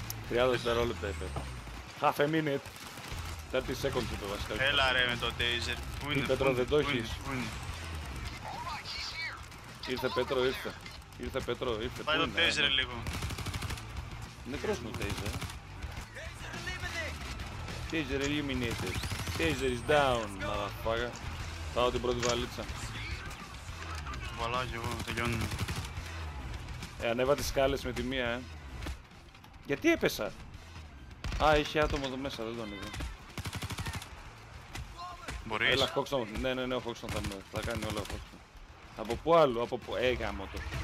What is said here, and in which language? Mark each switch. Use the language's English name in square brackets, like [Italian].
[Greek] 30 δευτερόλεπτα έπεσε. [English] Half a minute. [Greek] 30 [English] seconds [Greek] είπε βασικά. Έλα ρε με το taser. Πού είναι, Πέτρο, πού είναι, το έχεις. Ήρθε Πέτρο, ήρθε. Ήρθε Πέτρο, ήρθε. Πάει το taser λίγο. Νεκρός μου taser. [English] Taser eliminated. Taser is down, [Greek] μαλαφάγα. Πάω την πρώτη βαλίτσα. Βαλά κι εγώ, τελειώνουμε. Ανέβα τις σκάλες με τη μία, ε. Γιατί έπεσα. Α, είχε άτομο εδώ μέσα, δεν τον είδα. Μπορείς. Έλα, Χόξον. Ναι, ο Χόξον θα με. Θα κάνει όλα ο Χόξον. Από πού άλλο, από πού. Ε, γάμο το.